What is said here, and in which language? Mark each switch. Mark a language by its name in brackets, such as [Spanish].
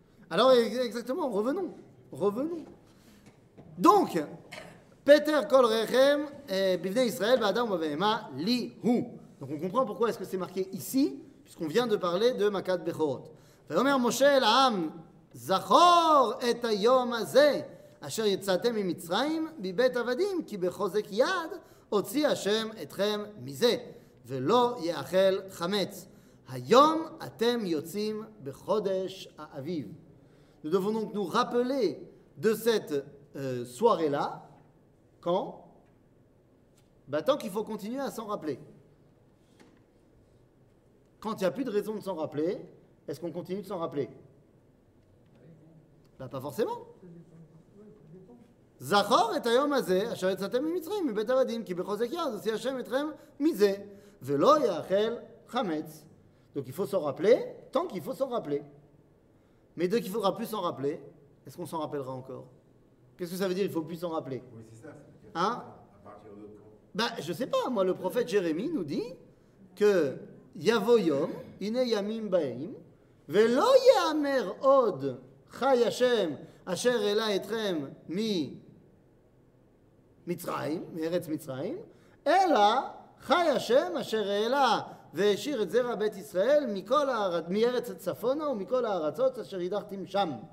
[French] Alors, exactement, revenons. Revenons. Donc, [Hebrew] Peter Kol Rechem, Bivne Israël, Badam Mavehema, Li Hu. [French] Donc, on comprend pourquoi est-ce que c'est marqué ici, puisqu'on vient de parler de Makat Bechorot. Vayomer Moshe El Ham, [Hebrew] Zachor et Ayom Aze. אשר יצאתם ממצרים בבית עבדים כי בחוזק יד הוציא השם אתכם מזה ולא יאכל חמץ היום אתם יוצאים בחודש האביב. [French] Nous devons donc nous rappeler de cette soirée-là quand bah tant qu'il faut continuer à s'en rappeler. Quand il n'y a plus de raison de s'en rappeler, est-ce qu'on continue de s'en rappeler? Bah pas forcément. [Hebrew] זכור את היום הזה אשר יצאתם ממצרים מבית עבדים כי בחוזק יד עושה השם אתכם מזה ולא יאכל חמץ. [French] Donc il faut s'en rappeler tant qu'il faut s'en rappeler. Mais dès qu'il faudra plus s'en rappeler, est-ce qu'on s'en rappellera encore? Qu'est-ce que ça veut dire il faut plus s'en rappeler? Oui, c'est ça. Hein? Bah, je sais pas, moi le prophète Jérémie nous dit que [Hebrew] yavo yom ine yamim ba'im velo ya'mer od chay Hashem אשר אלה אתכם ממצרים, מארץ מצרים, אלא חי השם אשר אלה והשאיר את זרע בית ישראל מכל מארץ הצפונה ומכל הארצות אשר ידחתם שם.